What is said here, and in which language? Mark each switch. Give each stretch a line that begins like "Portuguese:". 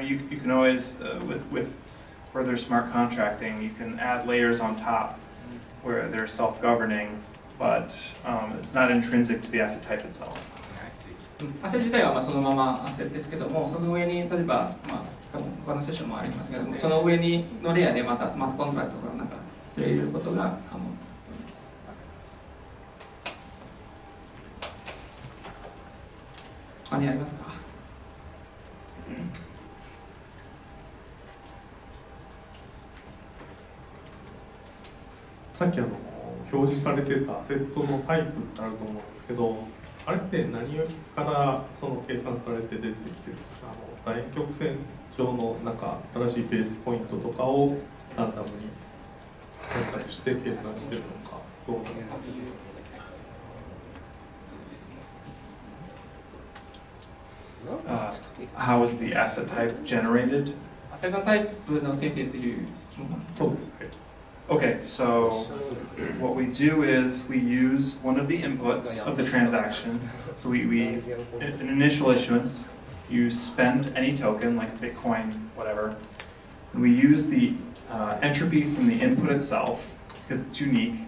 English: You can always, with further smart contracting, you can add layers on top where they're self-governing, but it's not intrinsic to the asset type itself.
Japanese: アセ自体はまあそのままアセですけども、その上に例えば、他のセッションもありますけども、その上にのレアでまたスマートコントラクトとかなんか連れ入れることが可能と思います。他にありますか？さっき表示されてたアセットのタイプってあると思うんですけど、あれって何からその計算されて出てきてるんですか？楕円曲線上のなんか新しいベースポイントとかをランダムに選択して計算してるのか、どうなのか。
English: How is the asset type generated?
Japanese: アセットタイプの生成という質問なんですか？そうです。はい。
English: Okay, so what we do is we use one of the inputs of the transaction. So we an initial issuance, you spend any token like Bitcoin, whatever. And we use the entropy from the input itself because it's unique.